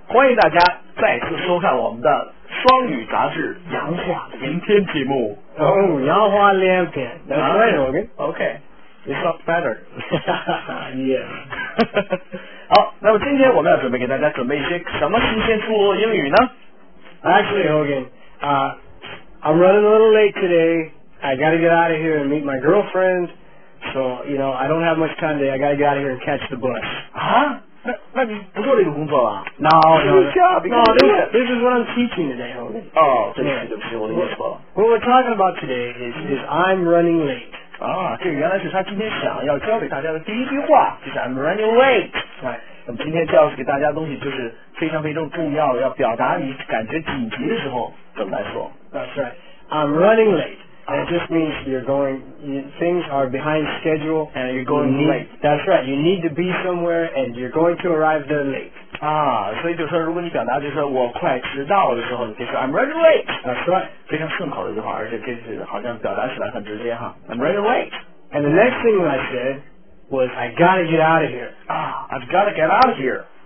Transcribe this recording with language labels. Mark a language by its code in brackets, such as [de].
[zh] 迎大家再次收看我们的双语杂志洋话连篇节目。哦，洋话连篇。 [en] OK. It's not better. Yeah. [zh] 好，那么今天我们要准备给大家准备一些什么新鲜出炉英语呢？ [en] Actually, Hogan, I'm running a little late today. I gotta get out of here and meet my girlfriend. So, you know, I don't have much time today. I gotta get out of here and catch the bus. [zh] 那你不做这个工作了？ [en] No, this is what I'm teaching today, Hogan. Oh, [zh] 真的是对不起，我的错了。 [en] What we're talking about today is I'm running late. [zh] 这原来是他今天想要教给大家的第一句话，就是 [en] I'm running late. [zh] 那么今天教给大家的东西就是非常非常重要，要表达你感觉紧急的时候怎么来说。 [en] That's right. I'm running late. And it just means things are behind schedule and you're going late. That's right. You need to be somewhere and you're going to arrive there late. [zh] 所以就说如果你表达就是我快迟到的时候，你可以说 [en] I'm running late. That's right. [zh] 非常顺口的一句话，而且这是好像表达起来很直接哈。 [en] I'm running late. And the next thing I said was I gotta get out of here. I've gotta get out of here.